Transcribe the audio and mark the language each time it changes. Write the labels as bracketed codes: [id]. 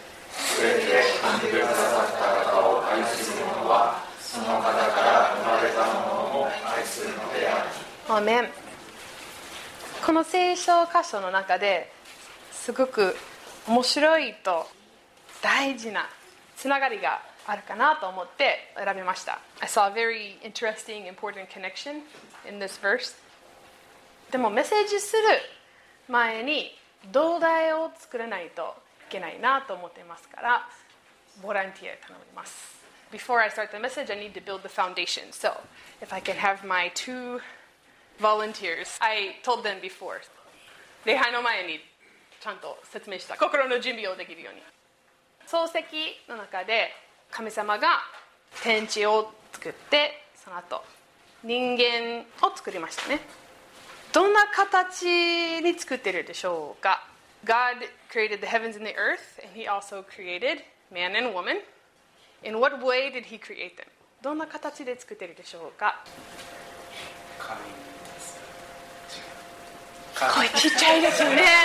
[ja] すべて神でくださった方を愛する者はその方から生まれたものを愛するのである。アーメン。この聖書箇所の中ですごく面白いと大事なつながりがあるかなと思って選びました。 [en] I saw a very interesting, important connection in this verse. [ja] でもメッセージする前に土台を作らないといけないなと思ってますからボランティア頼みます。 [en] Before I start the message, I need to build the foundation. So, if I can have my two volunteers, I told them before. [ja] 礼拝の前にちゃんと説明した。心の準備をできるように。漱石の中で神様が天地を作ってその後人間を作りましたね。どんな形に作ってるでしょうか。 [en] God created the heavens and the earth and he also created man and woman. In what way did he create them? [ja] どんな形で作ってるでしょうか。神声ちっちゃいですよね。